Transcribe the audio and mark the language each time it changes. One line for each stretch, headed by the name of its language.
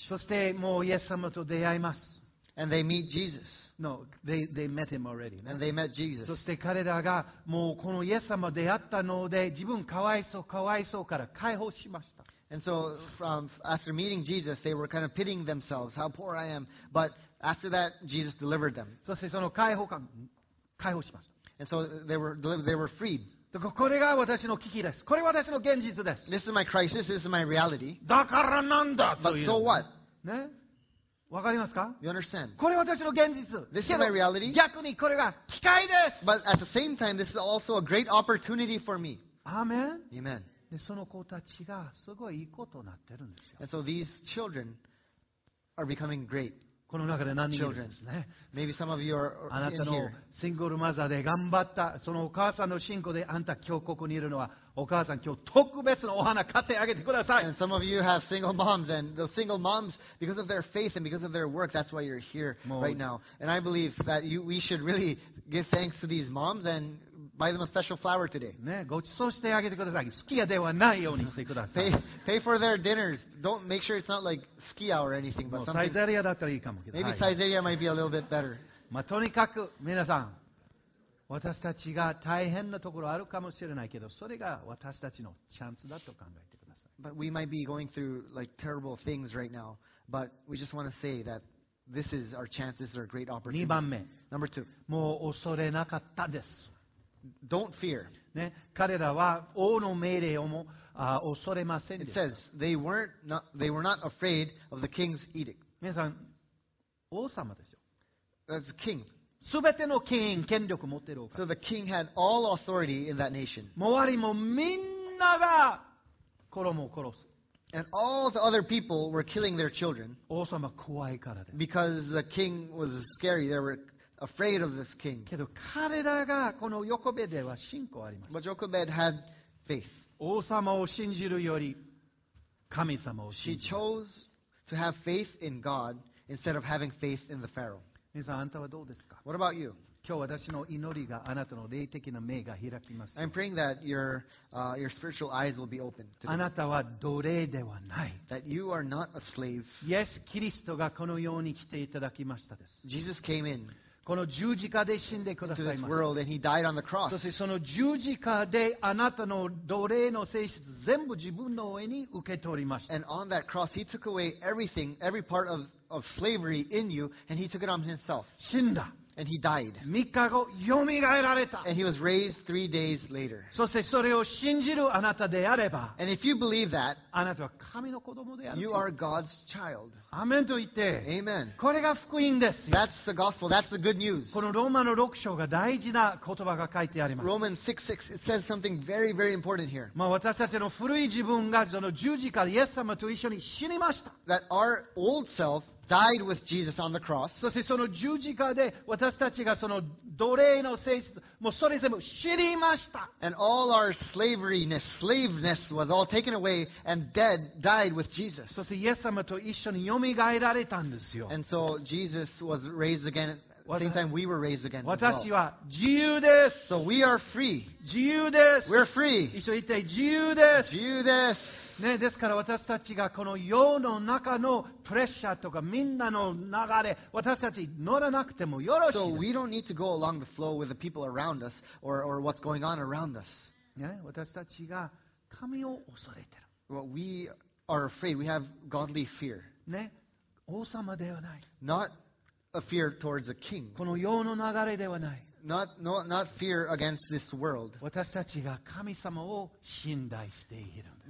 Japanese: そしてもうイエス様と出会います。
English: And they meet Jesus. No, they met him already. And they met Jesus.
Japanese: そして彼らがもうこのイエス様出会ったので自分かわいそうかわいそうから解放しました。
English: And so after meeting Jesus, they were kind of pitying themselves, how poor I am. But after that, Jesus delivered them.
Japanese: そしてその解放感、解放しました。
English: And so they were freed.
Japanese: これが私の危機です。これ私の現実です。
English: This is my crisis. This is my reality.
Japanese: だからなんだという。
English: But so what?
Japanese: ね。わかりますか?
English: You understand?
Japanese: これ私の現実。
English: This is my reality.
Japanese: 逆にこれが機会です。
English: But at the same time, this is also a great opportunity for me. Amen. Amen.
Japanese: で、その子たちがすごいいいことになってるんですよ。
English: And so these children are becoming great.
Japanese: この中で何人いるんですね。
English: Maybe some of you are in here.
Japanese: あなたのシングルマザーで頑張った、そのお母さんの信仰であんた今日ここにいるのは、お母さん今日特別なお花買ってあげてください。
English: And some of you have single moms, and those single moms, because of their faith and because of their work, that's why you're here right now. And I believe that we should really give thanks to these moms and buy them a special flower today.
Japanese: ね、ごちそうしてあげてください。スキヤではないようにしてください。
English: pay for their dinners. Don't make sure it's not like skia or anything, but
Japanese: サイゼリアだったらいいかもけど。
English: Maybe Saizeria might be a little bit better.
Japanese: まあ、とにかく皆さん。私たちが大変なところあるかもしれないけど、それが私たちのチャンスだと考えてください。
English: But we might be going through like terrible things right now, But we just want to say that this is our chance, this is our great opportunity.
Japanese: 2番目.
English: Number two.
Japanese: もう恐れなかったです。
English: Don't fear.
Japanese: ね、彼らは王の命令をも、恐れませんでした。
English: It says, they were not afraid of the king's edict.
Japanese: 皆さん、王様ですよ。
English: That's a king.
Japanese: 全ての権威、権力を持ってるお方。
English: So the king had all authority in that nation.
Japanese: 周りもみんなが子供を殺す。
English: And all the other people were killing their children.
Japanese: 王様怖いからです。
English: Because the king was scary. They were afraid of this king.
Japanese: けど彼らがこのヨコベでは信仰あります。
English: But Jochebed had faith.
Japanese: 王様を信じるより神様を信じる。
English: She chose to have faith in God instead of having faith in the Pharaoh.
Japanese: 皆さん、あなたはどうですか?
English: What about you?
Japanese: 今日私の祈りがあなたの霊的な目が開きます。
English: I'm praying that your spiritual eyes will be open.
Japanese: あなたは奴隷ではない。
English: That you are not a slave.
Japanese: イエス・キリストがこの世に来ていただきましたです。
English: Jesus came in.
Japanese: この十字架で死んでくださいました。
English: To this world and he died on the cross.
Japanese: そしてその十字架であなたの奴隷の性質全部自分の上に受け取りました。
English: And on that cross he took away everything, every part of slavery in you, and he took it on himself.
Japanese: 死んだ。
English: And he died.
Japanese: 3日後、よみがえられた。
English: And he was raised 3 days later.
Japanese: そしてそれを信じるあなたであれば、
English: And if you believe that,
Japanese: あなたは神の子供である。
English: You are God's child.
Japanese: アメンと言って、
English: Amen.
Japanese: これが福音です。
English: That's the gospel. That's the good news.
Japanese: このローマの6章が大事な言葉が書いてあります。
English: Romans 6:6 it says something very, very important here.
Japanese: まあ私たちの古い自分がその十字架でイエス様と一緒に死にました。
English: That our old self,died with Jesus on the cross.
Japanese: そしてその十字架で私たちがその奴隷の性質もうそれ全部死にました。
English: And all our slaveryness, slaveness was all taken away and dead, died with Jesus.
Japanese: そしてイエス様と一緒に蘇られたんですよ。
English: And so Jesus was raised again at the same time we were raised again.
Japanese: 私は自由です。
English: So we are free.
Japanese: 自由です。
English: We're free.
Japanese: 一緒に言って自由です。自由です。ね、ですから私たちがこの世の中のプレッシャーとかみんなの流れ私たち乗らなくてもよろしい。
English: So we don't need to go along the flow with the people around us or what's going on around us.
Japanese: ね、私たちが神を恐れてる。
English: Well, we are afraid. We have godly fear.
Japanese: ね、王様ではない。
English: Not a fear towards a king.
Japanese: この世の流れではない。
English: Not fear against this world.
Japanese: 私たちが神様を信頼しているんです。